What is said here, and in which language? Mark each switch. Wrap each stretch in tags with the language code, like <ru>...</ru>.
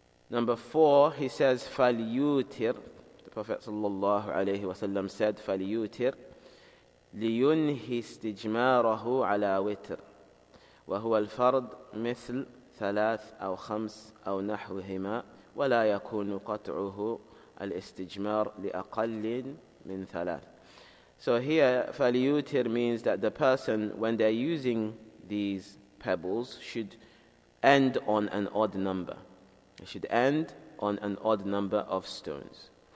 <en>Number four, he says,</en> <ar>فَلْيُوتِرْ.</ar> <en>The Prophet sallallahu alayhi wa sallam said,</en> <ar>فَلْيُوتِرْ لِيُنْهِ اسْتِجْمَارَهُ عَلَى وِتْرْ وَهُوَ الْفَرْضْ مِثْلْ ثَلَاثْ أَوْ خَمْسْ أَوْ نَحْوِهِمَا وَلَا يَكُونُ قَطْعُهُ الْإِسْتِجْمَارُ لِأَقَلٍ مِنْ ثَلَاثٍ.</ar> <en>So here,</en> <ar>فَلْيُوتِرْ</ar> <en>means that the person, when they're using these pebbles, should end on an odd number. It should end on an odd number of stones.</en>